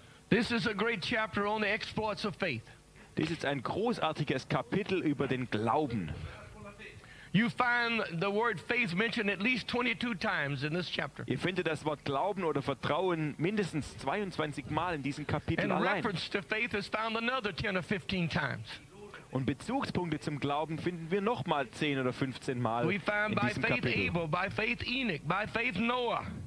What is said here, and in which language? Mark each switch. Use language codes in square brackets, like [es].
[en] This is a great chapter on the exploits of faith. [de] Dies ist ein großartiges Kapitel über den Glauben. [en] You find the word faith mentioned at least 22 times in this chapter. [de] Ihr findet das Wort Glauben oder Vertrauen mindestens 22 Mal in diesem Kapitel [en] and [de] allein. [en] And reference to faith is found another 10 or 15 times. [de] Und Bezugspunkte zum Glauben finden wir noch mal 10 oder 15 Mal in diesem Kapitel. [en] We find by faith [de] Kapitel. [en] Abel, by faith Enoch, by faith Noah,